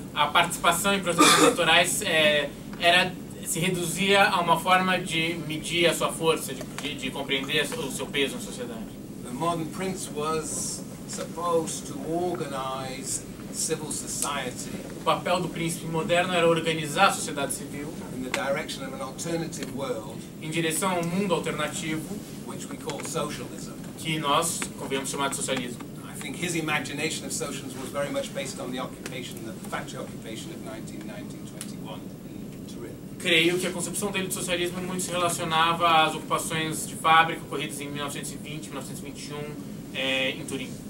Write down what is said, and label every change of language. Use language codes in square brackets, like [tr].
[pt] A participação em processos eleitorais se reduzia a uma forma de medir a sua força, de compreender o seu peso na sociedade. [en] The modern prince was supposed to organize civil society. [pt] O papel do príncipe moderno era organizar a sociedade civil [en] in the direction of an alternative world, [pt] em direção a um mundo alternativo, [en] which we call socialism. [pt] Que nós convenhamos chamar de socialismo. [en] I think his imagination of socialism was very much based on the occupation, the factory occupation of 1919-21 in Turin. [pt] creio que a concepção dele do socialismo muito se relacionava às ocupações de fábrica ocorridas em 1920, 1921 em Turim.